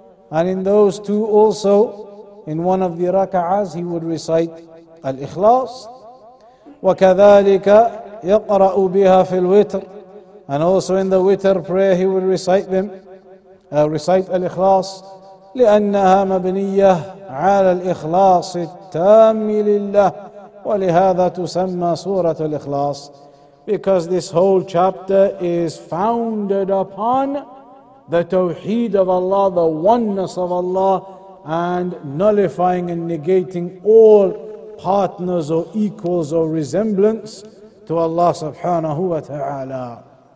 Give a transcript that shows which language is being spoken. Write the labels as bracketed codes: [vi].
[en] And in those two also, in one of the raka'as, he would recite Al-Ikhlas. [ar] وَكَذَلِكَ يَقْرَأُ بِهَا فِي الْوِتْرِ. [en] And also in the Witr prayer, he would recite them, recite Al-Ikhlas. [ar] لأنها مبنية على الإخلاص التام لله ولهذا تسمى سورة الإخلاص. [en] Because this whole chapter is founded upon the Tawheed of Allah, the oneness of Allah, and nullifying and negating all partners or equals or resemblance to Allah subhanahu wa ta'ala.